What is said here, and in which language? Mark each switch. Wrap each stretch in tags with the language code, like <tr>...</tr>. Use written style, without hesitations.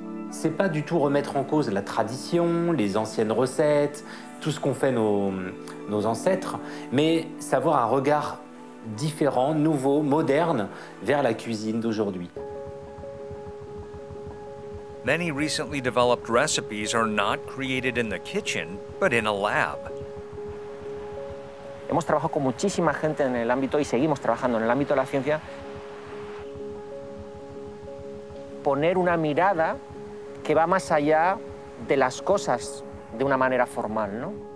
<fr>C'est pas du tout remettre en cause la tradition, les anciennes recettes, tout ce qu'ont fait nos ancêtres, mais savoir un regard différent, nouveau, moderne, vers la cuisine d'aujourd'hui.</fr> <en>Many recently developed recipes are not created in the kitchen, but in a lab.</en> <es>Hemos trabajado con muchísima gente en el ámbito y seguimos trabajando en el ámbito de la ciencia. Poner una mirada que va más allá de las cosas de una manera formal, ¿no?</es>